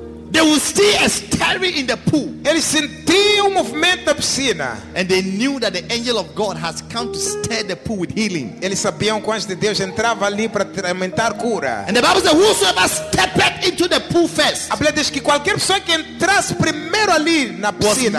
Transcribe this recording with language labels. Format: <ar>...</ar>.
<en>They will see a stirring in the pool.</en> <pt>Eles sentiam um movimento na piscina.</pt> <en>And they knew that the angel of God has come to stir the pool with healing.</en> <pt>Eles sabiam que o anjo de Deus entrava ali para aumentar cura.</pt> <en>And the Bible says, whosoever stepped into the pool first.</en> <pt>A Bíblia diz que qualquer pessoa que entrasse primeiro ali na piscina.</pt>